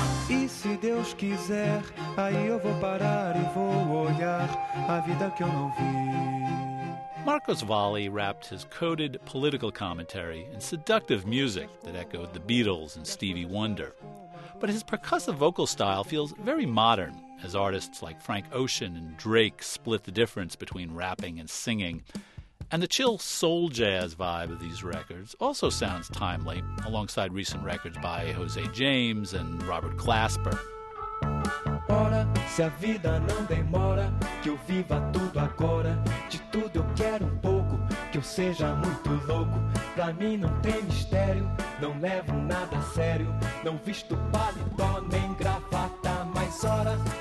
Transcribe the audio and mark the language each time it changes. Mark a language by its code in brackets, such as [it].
[pt] E se Deus quiser, aí eu vou parar e vou olhar a vida que eu não vi. [en] Marcos Valle wrapped his coded political commentary in seductive music that echoed the Beatles and Stevie Wonder. But his percussive vocal style feels very modern, as artists like Frank Ocean and Drake split the difference between rapping and singing. And the chill soul jazz vibe of these records also sounds timely, alongside recent records by Jose James and Robert Glasper. [pt] Ora, se a vida não demora, que eu viva tudo agora. De tudo eu quero um pouco, que eu seja muito louco. Pra mim não tem mistério, não levo nada a sério. Não visto paletó nem gravata, mas ora.